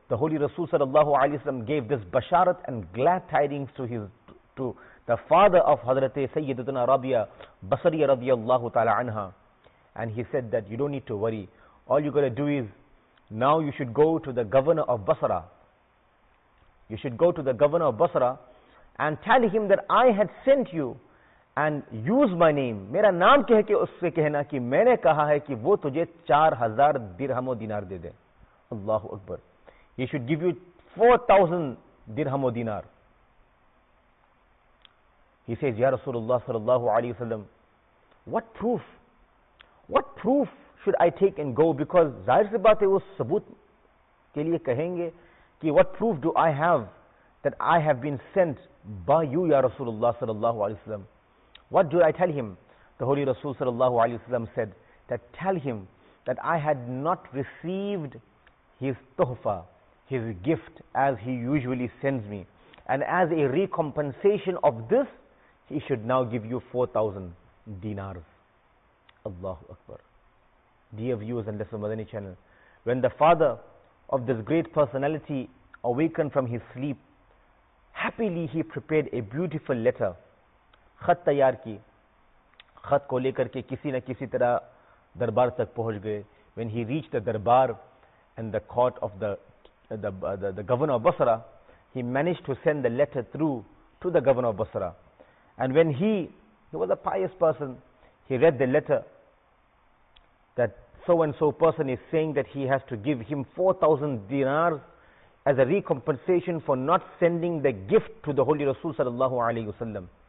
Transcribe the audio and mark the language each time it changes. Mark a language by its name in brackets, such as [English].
[English] The Holy Rasul sallallahu alayhi wa sallam gave this basharat and glad tidings to the father of Hazrat Sayyidatuna Rabia Basriya radiyallahu ta'ala anha. And he said that you don't need to worry. All you gotta do is, now you should go to the governor of Basra. You should go to the governor of Basra and tell him that I had sent you. And use my name. [Urdu] میرا نام کہہ کے اس سے کہنا کہ میں نے کہا ہے کہ وہ تجھے 4,000 درہم و دینار دے دے. [English] اللہ اکبر. He should give you 4,000 درہم و دینار. He says, Ya Rasulullah sallallahu alayhi wa sallam, what proof? What proof should I take and go? Because [Urdu] ظاہر سے بات ہے وہ ثبوت کے لیے کہیں گے کہ [English] what proof do I have that I have been sent by you, یا رسول اللہ صلی اللہ علیہ وسلم. What do I tell him? The Holy Rasul صلی اللہ علیہ وسلم said that tell him that I had not received his tuhfa, his gift, as he usually sends me. And as a recompensation of this, he should now give you 4,000 dinars. Allahu Akbar. Dear viewers and listeners of Madani channel, when the father of this great personality awakened from his sleep, happily he prepared a beautiful letter. [Urdu] خط تیار کی, خط کو لے کر کے کسی نہ کسی طرح دربار تک پہنچ گئے. [English] When he reached the darbar and the court of the governor of Basra, he managed to send the letter through to the governor of Basra. And when he was a pious person, he read the letter that so and so person is saying that he has to give him 4,000 dinars as a recompensation for not sending the gift to the Holy Rasul sallallahu alayhi wasallam.